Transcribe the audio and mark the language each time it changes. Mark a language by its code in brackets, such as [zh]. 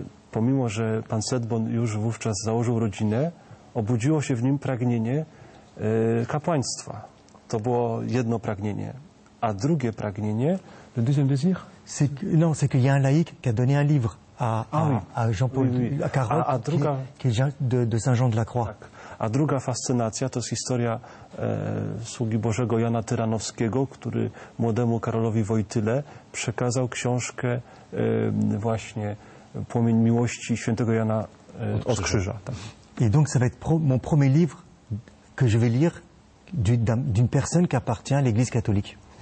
[pl] Pomimo, że pan Sedbon już wówczas założył rodzinę, obudziło się w nim pragnienie kapłaństwa. To było jedno pragnienie. A drugie pragnienie... [fr] Le deuxième désir? Non, c'est qu'il y a un laïc qui a donné un livre à Jean-Paul, oui, oui. À Carole, qui est de Saint-Jean de la Croix. [pl] Tak. A druga fascynacja to jest historia sługi Bożego Jana Tyranowskiego, który młodemu Karolowi Wojtyle przekazał książkę właśnie Płomień miłości świętego Jana od krzyża. [fr] Et donc ça va être mon premier livre que je vais lire d'une personne qui appartient à l'Église catholique.